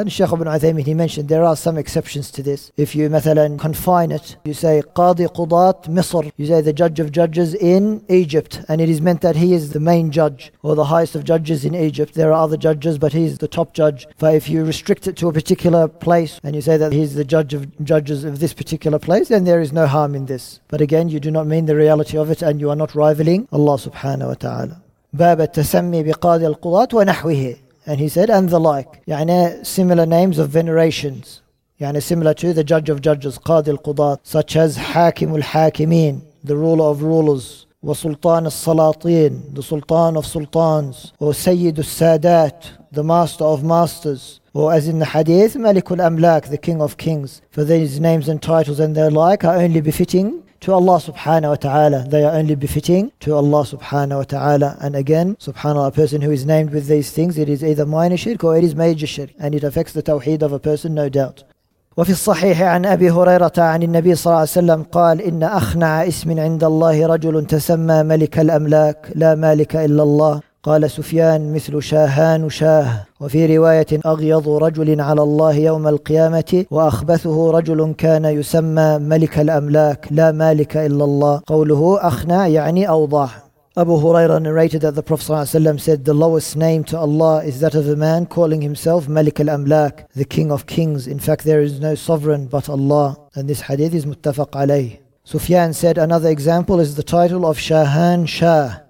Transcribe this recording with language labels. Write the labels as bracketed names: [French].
[English] And Shaykh ibn Uthaymeen, he mentioned there are some exceptions to this. If you [Arabic] مثلاً [English] confine it, you say Qadi Qudat Misr, you say the judge of judges in Egypt, and it is meant that he is the main judge or the highest of judges in Egypt. There are other judges, but he is the top judge. But if you restrict it to a particular place and you say that he is the judge of judges of this particular place, then there is no harm in this. But again, you do not mean the reality of it, and you are not rivaling Allah subhanahu wa ta'ala. [Arabic] باب التسمي بقاضي القضاة ونحوه. [English] And he said, and the like. Similar names of venerations. Similar to the judge of judges, [Arabic] قاضي القضاة. [English] Such as [Arabic] حاكم الحاكمين, [English] the ruler of rulers. [Arabic] وسلطان السلاطين, [English] the sultan of sultans. [Arabic] وسيد السادات, [English] the master of masters. Or as in the hadith, [Arabic] ملك الأملاك, [English] the king of kings. For these names and titles and their like are only befitting to Allah subhanahu wa ta'ala. They are only befitting to Allah subhanahu wa ta'ala. And again, subhanallah, a person who is named with these things, it is either minor shirk or it is major shirk. And it affects the tawheed of a person, no doubt. [Arabic] وفي الصحيح عن أبي هريرة عن النبي صلى الله عليه وسلم قال إن أخنع اسم عند الله رجل تسمى ملك الأملاك لا مالك إلا الله قال سفيان مثل شاهان شاه وفي رواية أغيض رجل على الله يوم القيامة وأخبثه رجل كان يسمى ملك الأملاك لا مالك إلا الله قوله أخنع أوضاع. [English] Abu Huraira narrated that the Prophet ﷺ said, the lowest name to Allah is that of a man calling himself Malik al-Amlak, the king of kings. In fact, there is no sovereign but Allah. And this hadith is muttafaq alayh. Sufyan said, another example is the title of Shahan Shah.